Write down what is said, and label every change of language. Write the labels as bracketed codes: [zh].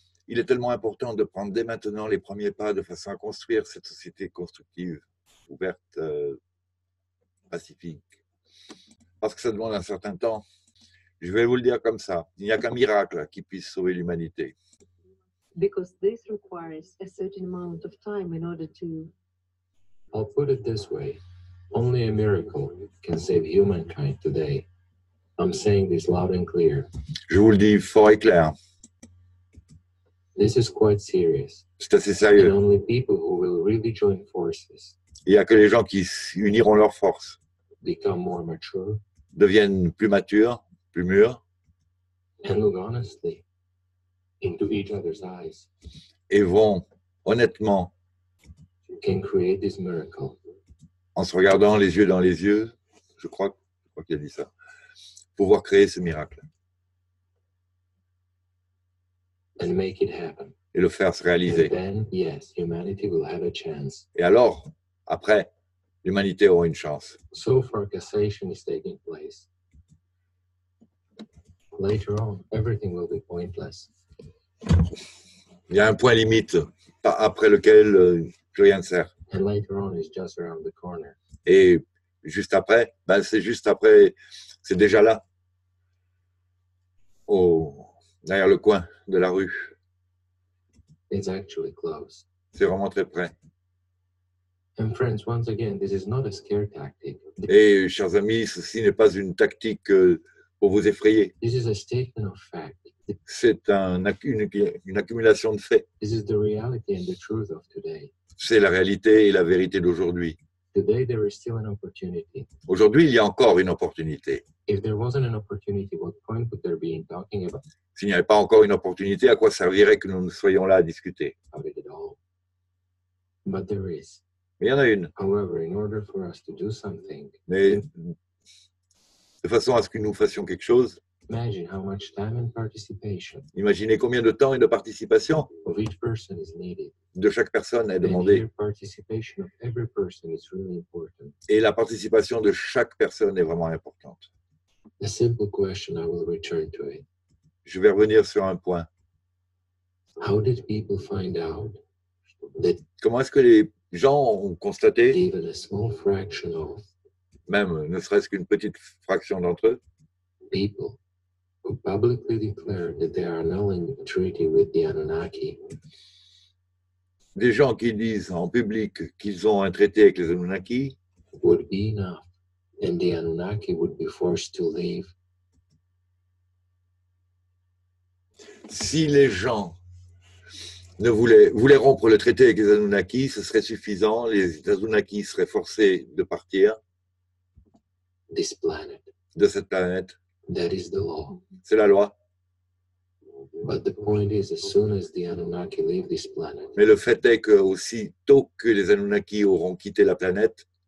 [fr] Il est tellement important de prendre dès maintenant les premiers pas de façon à construire cette société constructive, ouverte, pacifique. Parce que ça demande un certain temps. Je vais vous le dire comme ça, il n'y a qu'un miracle qui puisse sauver l'humanité. [en] Because this requires a certain amount of time in order to... I'll put it this way. Only a miracle can save humankind today. I'm saying this loud and clear. [fr] Je vous le dis fort et clair. [en] This is quite serious. [fr] C'est assez sérieux. [en] And only people who will really join forces... [fr] Il n'y a que les gens qui uniront leurs forces. [en] Become more mature. [fr] Deviennent plus matures, plus mûrs. [en] And look honestly. Into each other's eyes. [fr] Et vont honnêtement [en] can create this miracle. [fr] En se regardant les yeux dans les yeux, je crois qu'il a dit ça, pouvoir créer ce miracle. [en] And make it happen. [fr] Et le faire se réaliser. [en] And then, yes, humanity will have a chance. [fr] Et alors, après, l'humanité aura une chance. [en] So far, cessation is taking place. Later on, everything will be pointless. [fr] Il y a un point limite après lequel plus rien ne sert. [en] And later on, it's just around the corner. [fr] Et juste après, ben c'est juste après, c'est déjà là, derrière le coin de la rue. [en] It's actually close. [fr] C'est vraiment très près. [en] And friends, once again, this is not a scare tactic. [fr] Et chers amis, ceci n'est pas une tactique pour vous effrayer. [en] This is a statement of fact. [fr] C'est une accumulation de faits. [en] This is the reality and the truth of today. [fr] C'est la réalité et la vérité d'aujourd'hui. [en] Today, there is still an opportunity. [fr] Aujourd'hui, il y a encore une opportunité. [en] If there wasn't an opportunity, what point would there be in talking about? [fr] S'il n'y avait pas encore une opportunité, à quoi servirait que nous soyons là à discuter? [en] Of it at all. But there is. [fr] Mais il y en a une. [en] However, in order for us to do something, [fr] mais de façon à ce que nous fassions quelque chose, [en] imagine how much time and participation. [fr] Imaginez combien de temps et de participation [en] of each person is needed. [fr] De chaque personne est demandé. [en] And participation of every person is really important. [fr] Et la participation de chaque personne est vraiment importante. [en] A simple question, I will return to it. [fr] Je vais revenir sur un point. [en] How did people find out that [fr] comment est-ce que les gens ont constaté, [en] even a small fraction of, [fr] même ne serait-ce qu'une petite fraction d'entre eux, [en] people who publicly declare that they are annulling the treaty with the Anunnaki. [fr] Des gens qui disent en public qu'ils ont un traité avec les Anunnaki [en] would be enough, and the Anunnaki would be forced to leave. [fr] Si les gens voulaient rompre le traité avec les Anunnaki, ce serait suffisant. Les Anunnaki seraient forcés de partir. [en] This planet. [fr] De cette planète. [en] That is the law. [fr] C'est la loi. [en] But the point is, as soon as the Anunnaki leave this planet. [fr] Mais le fait est que aussi tôt que les Anunnaki auront quitté la planète,